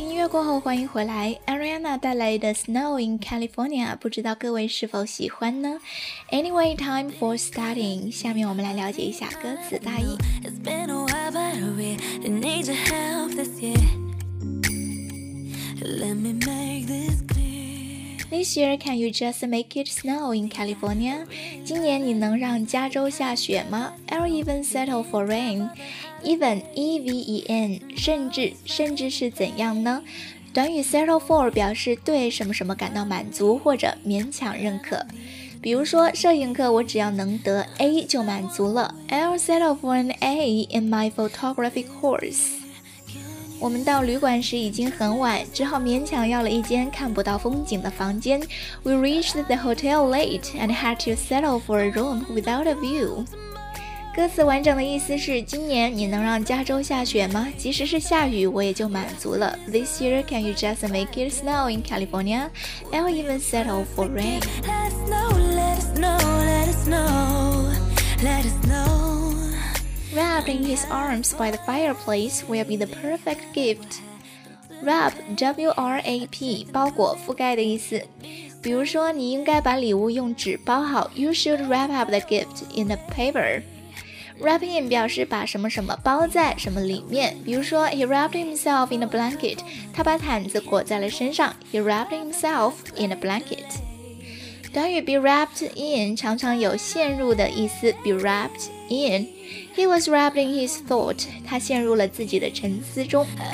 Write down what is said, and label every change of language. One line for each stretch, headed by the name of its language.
Chinese: 过后欢迎回来， Ariana 带来的 Snow in California， 不知道各位是否喜欢呢？
English: Anyway, time for starting，
Chinese: 下面我们来了解一下歌词大意。
English: It's been a while but I really need your help this year. Let me make this clear. This year can you just make it snow in California?
Chinese: 今年你能让加州下雪吗？
English: I'll even settle for rain.
Chinese: Even, E-V-E-N, 甚至是怎样呢？短语 settle for 表示对什么什么感到满足或者勉强认可。比如说摄影课我只要能得 A 就满足了。
English: I'll settle for an A in my photography course.
Chinese: 我们到旅馆时已经很晚，只好勉强要了一间看不到风景的房间。
English: We reached the hotel late and had to settle for a room without a view。
Chinese: 歌词完整的意思是，今年你能让加州下雪吗？即使是下雨我也就满足了。
English: This year can you just make it snow in California? I'll even settle for rain。 Let it snow, let it snow, let it snow, let it snow. Wrapped in his arms by the fireplace will be the perfect gift.
Chinese: Wrap, W-R-A-P, 包裹覆盖的意思。比如说你应该把礼物用纸包好。
English: You should wrap up the gift in the paper.
Chinese: Wrap in 表示把什么什么包在什么里面。比如说
English: he wrapped himself in a blanket.
Chinese: 他把毯子裹在了身上。
English: He wrapped himself in a blanket.
Chinese: 短语 be wrapped in 常常有陷入的意思。
English: be wrapped in He was wrapped in his thought.
Chinese: 他陷入了自己的沉思中。